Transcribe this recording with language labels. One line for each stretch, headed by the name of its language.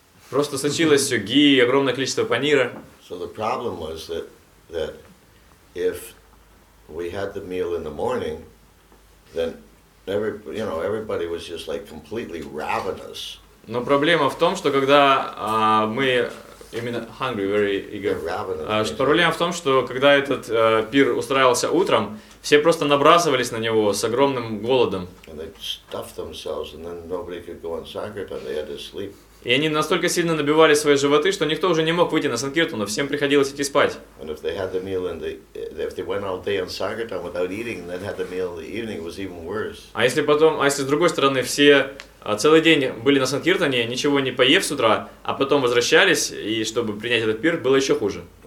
Russian: Просто сочилось все ги, огромное количество панира.
English: So the problem was that if we had the meal in the morning, then everybody was just like completely ravenous.
Russian: Но проблема в том, что когда мы именно
English: hungry, very eager.
Russian: Что проблема в том, что когда этот пир устраивался утром, все просто набрасывались на него с огромным голодом.
English: And they stuffed themselves, and then nobody could go on sankirtan. They had to sleep.
Russian: И они настолько сильно набивали свои животы, что никто уже не мог выйти на санкиртану, всем приходилось идти спать. А если с другой стороны, все целый день были на санкиртане, ничего не поев с утра, а потом возвращались, и чтобы принять этот пир, было еще хуже.